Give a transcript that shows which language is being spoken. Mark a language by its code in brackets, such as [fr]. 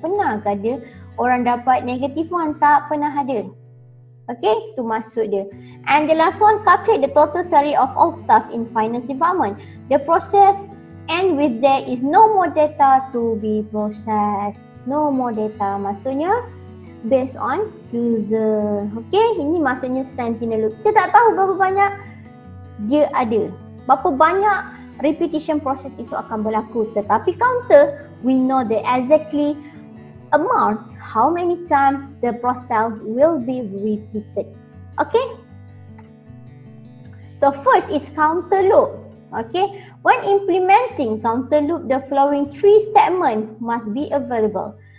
[ms] Pernah ke ada orang dapat negative one? Tak pernah ada. Okay, tu maksud dia. [en] And the last one, calculate the total salary of all staff in finance department. The process end with there is no more data to be processed. No more data maksudnya based on user. [ms] Okay, ini maksudnya sentinel loop. Kita tak tahu berapa banyak dia ada. Berapa banyak repetition process itu akan berlaku. Tetapi counter, [en] we know the exactly amount, how many times the process will be repeated. Okay? So first is counter loop. Okay? When implementing counter loop, the following three statements must be available.